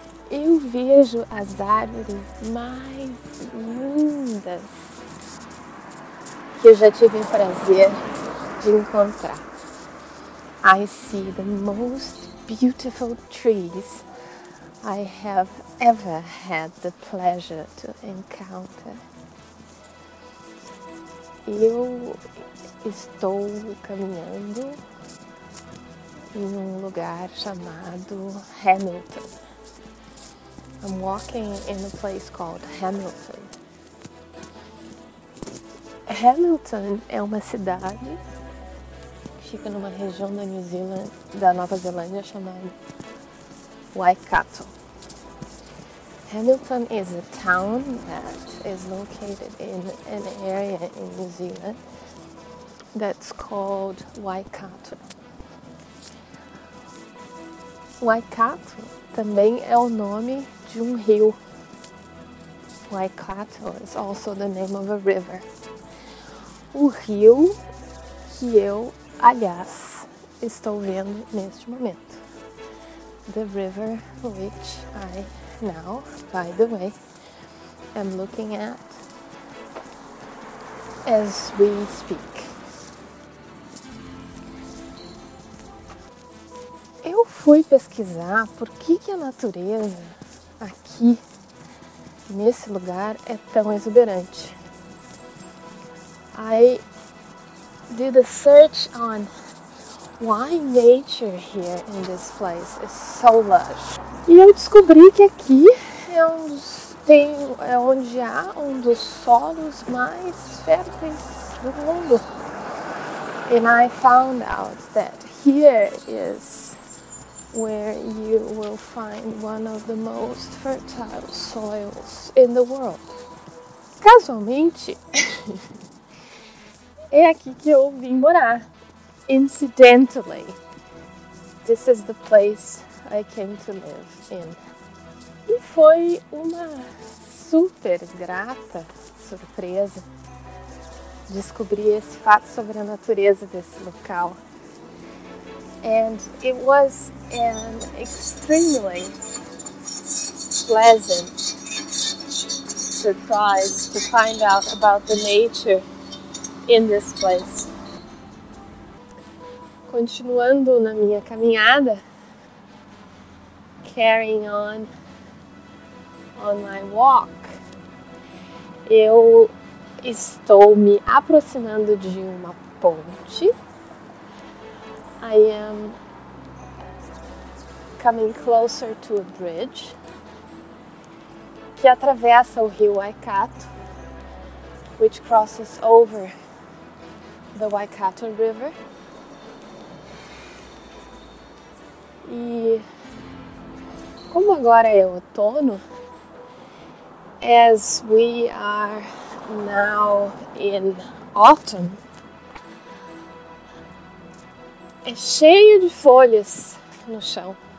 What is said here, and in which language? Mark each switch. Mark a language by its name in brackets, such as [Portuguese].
[Portuguese] Eu vejo as árvores mais lindas que eu já tive o prazer de encontrar. [English] I see the most beautiful trees I have ever had the pleasure to encounter. [Portuguese] Eu estou caminhando em um lugar chamado Hamilton. [English] I'm walking in a place called Hamilton. [Portuguese] Hamilton é uma cidade que fica numa região da New Zealand, da Nova Zelândia, chamada Waikato. [English] Hamilton is a town that is located in an area in New Zealand that's called Waikato. [Portuguese] Waikato também é o nome de um rio. [English] Waikato is also the name of a river. [Portuguese] O rio que eu, aliás, estou vendo neste momento. [English] The river which I now, by the way, am looking at as we speak. [Portuguese] Eu fui pesquisar por que que a natureza aqui, nesse lugar, é tão exuberante. [English] I did a search on why nature here in this place is so lush. [Portuguese] E eu descobri que aqui é onde há um dos solos mais férteis do mundo. [English] And I found out that here is where you will find one of the most fertile soils in the world. [Portuguese] Casualmente, é aqui que eu vim morar. [English] Incidentally, this is the place I came to live in. [Portuguese] E foi uma super grata surpresa descobrir esse fato sobre a natureza desse local. [English] And it was an extremely pleasant surprise to find out about the nature in this place. [Portuguese] Continuando na minha caminhada, [English] carrying on my walk, [Portuguese] eu estou me aproximando de uma ponte. [English] I am coming closer to a bridge [Portuguese] que atravessa o rio Waikato, [English] which crosses over the Waikato River. [Portuguese] E como agora é outono, [English] as we are now in autumn, [Portuguese] é cheio de folhas no chão.